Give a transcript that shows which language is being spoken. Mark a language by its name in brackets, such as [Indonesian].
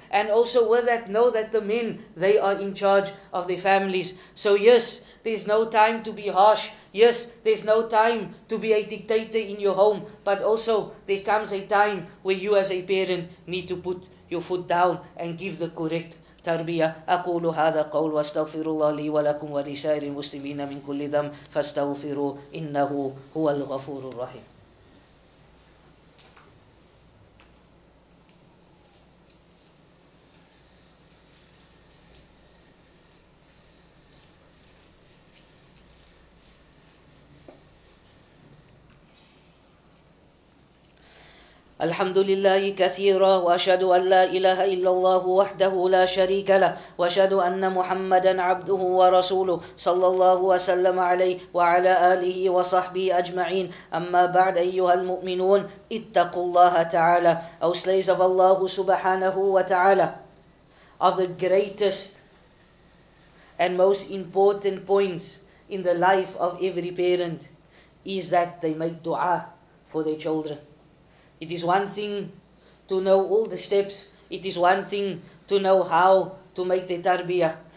[English] And also with that, know that the men, they are in charge of the families. So yes, there's no time to be harsh. Yes, there's no time to be a dictator in your home. But also, there comes a time where you as a parent need to put your foot down and give the correct تربية. [Arabic] أقول هذا قول واستغفر الله لي ولكم ولسائر المسلمين من كل ذنب فاستغفروا إنه هو الغفور الرحيم. الحمد لله كثيرا وأشهد أن لا إله إلا الله وحده لا شريك له وأشهد أن محمدا عبده ورسوله صلى الله وسلم عليه وعلى آله وصحبه أجمعين أما بعد أيها المؤمنون اتقوا الله تعالى أو [English] slaves of [Arabic] الله سبحانه وتعالى. [English] Of the greatest and most important points in the life of every parent is that they make dua for their children. It is one thing to know all the steps. It is one thing to know how to make the tarbiyah.